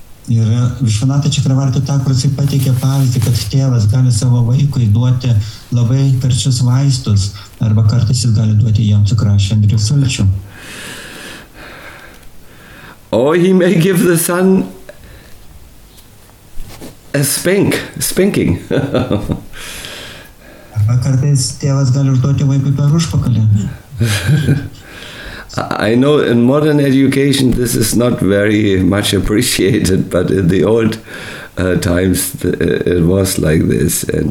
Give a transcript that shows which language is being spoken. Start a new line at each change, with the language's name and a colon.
Lithuanian: Ir Višvanata Čakravarti Thakur jisai pateikė pavyzdį, kad tėvas gali savo vaikui duoti labai karčius vaistus, arba kartais jis gali duoti jam cukrašvendrių sulčių.
English: Or he may give the son a spank, spanking.
Lithuanian: Arba kartais tėvas gali užduoti vaikui per užpakalį.
English: I know in modern education this is not very much appreciated, but in the old times it was like this.